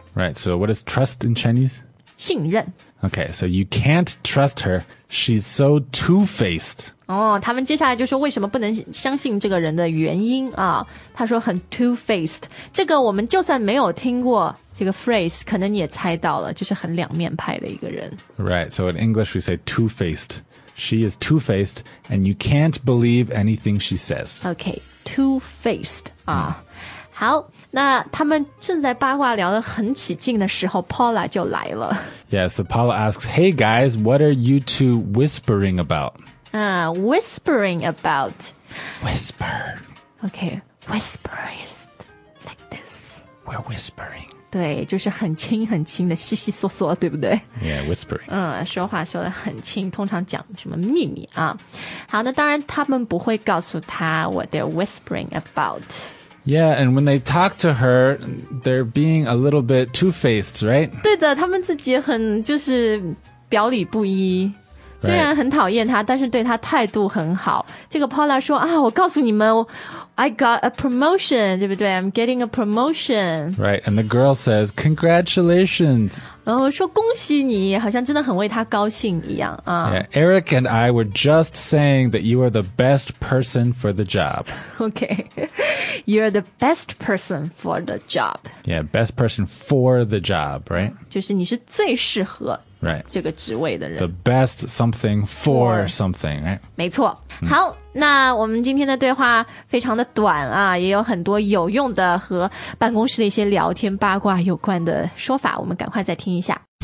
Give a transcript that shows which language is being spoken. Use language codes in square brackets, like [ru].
[en] Right, so what is trust in Chinese? [zh] 信任。 [en] Okay, so you can't trust her. She's so two-faced. [zh] 哦，他们接下来就说为什么不能相信这个人的原因啊？他说很 two-faced. 这个我们就算没有听过这个 phrase, 可能你也猜到了，就是很两面派的一个人。 [en] Right, so in English we say two-faced. She is two-faced, and you can't believe anything she says. Okay, two-faced. [zh] 啊、好，那他们正在八卦聊得很起劲的时候 Paula 就来了。 [en] Yeah, so Paula asks, Hey guys, what are you two whispering about? Whispering about. Whisper. Okay, whisper is like this. We're whispering. [zh] 对，就是很轻很轻的稀稀嗦嗦，对不对？ [en] Yeah, whispering. [zh] 说话说得很轻，通常讲什么秘密啊。好，那当然他们不会告诉他 [en] what they're whispering about. Yeah, and when they talk to her, they're being a little bit two-faced, right? [zh] 对的，他们自己很就是表里不一。虽然很讨厌他，但是对他态度很好。这个 Paula 说啊，我告诉你们 ， [en] I got a promotion, [zh] 对不对 ？ [en] I'm getting a promotion. Right, and the girl says, "Congratulations." [zh] 说恭喜你，好像真的很为他高兴一样啊。 [en] Yeah, Eric and I were just saying that you are the best person for the job. Okay, you're the best person for the job. Yeah, best person for the job, right? [zh] 就是你是最适合。 [en] Right. [zh] 这个职位的人。 [en] The best something for something, right? [zh] 没错。好，那我们今天的对话非常的短啊，也有很多有用的和办公室的一些聊天八卦有关的说法，我们赶快再听一下。